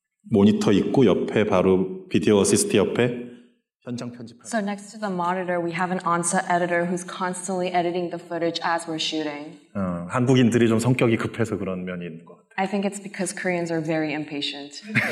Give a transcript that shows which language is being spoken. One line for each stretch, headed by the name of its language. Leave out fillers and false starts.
Korean: 모니터 있고 옆에 바로 비디오 어시스트 옆에 현장 편집할.
English: So next to the monitor we have an on-set editor who's constantly editing the footage as we're shooting.
Korean: 한국인들이 좀 성격이 급해서 그런 면이 있는 것 같아요.
English: I think it's because Koreans are very impatient.